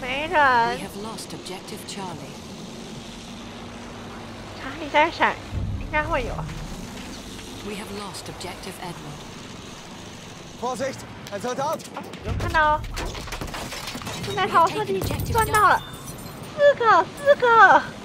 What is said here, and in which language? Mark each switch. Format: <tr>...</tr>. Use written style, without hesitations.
<en>We have lost objective Charlie.</en> <zh>Charlie 在闪，应该会有。</zh> <en>We have lost objective Edward.</en> <de>Vorsicht, ein Soldat!</de> <zh>有看到哦，正在逃生地钻到了，四个。</zh>